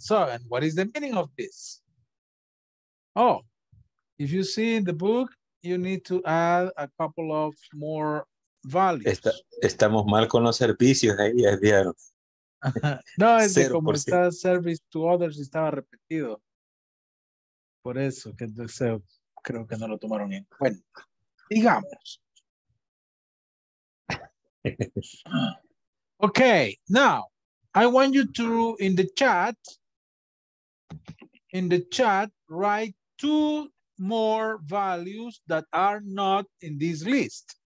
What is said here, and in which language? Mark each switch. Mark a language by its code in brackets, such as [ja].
[en] So, and what is the meaning of this? Oh. If you see the book, you need to add a couple of more values. [es] Estamos mal con los servicios ahí, ya vieron. No, es de como está service to others, estaba repetido. Por eso que deseo, creo que no lo tomaron en cuenta. Digamos. [en] Okay, now, I want you to, in the chat, write two more values that are not in this list.